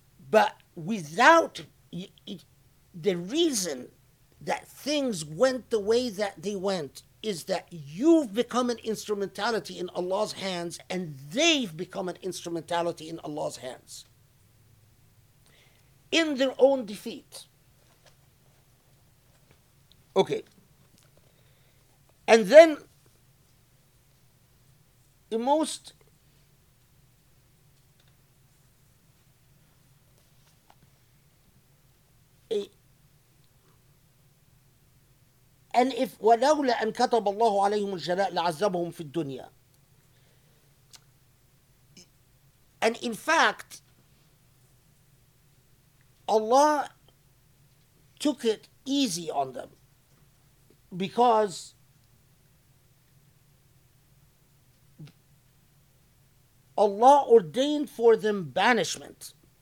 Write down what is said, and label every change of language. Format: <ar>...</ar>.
<en>But without the reason that things went the way that they went is that you've become an instrumentality in Allah's hands and they've become an instrumentality in Allah's hands in their own defeat. Okay. And then the most And if</en> <ar>ولولا أن كتب الله عليهم الجلاء لعذبهم في الدنيا.</ar> <en>And in fact, Allah took it easy on them because Allah ordained for them banishment.</en>